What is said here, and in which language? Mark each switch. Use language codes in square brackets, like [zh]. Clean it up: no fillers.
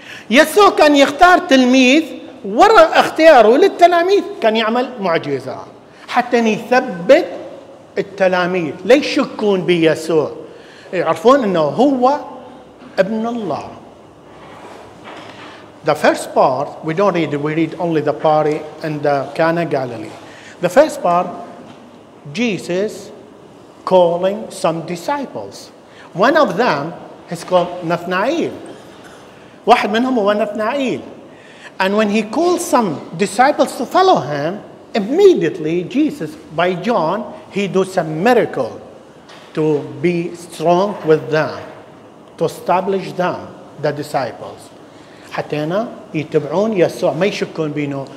[ar] يسوع كان يختار تلميذ وراء اختياره للتلاميذ كان يعمل معجزة حتى يثبت التلاميذ ليش يكون بيسوع يعرفون أنه هو ابن الله. [en] The first part we don't read, we read only the party in the Cana Galilee. The first part, Jesus calling some disciples. One of them is called Nathanael. [ar] واحد منهم هو نثنائيل. [en] And when he called some disciples to follow him, immediately Jesus, by John, he do some miracle to be strong with them, to establish them, the disciples. [ar] حتى هنا يتبعون يسوع ما يشكون بينه.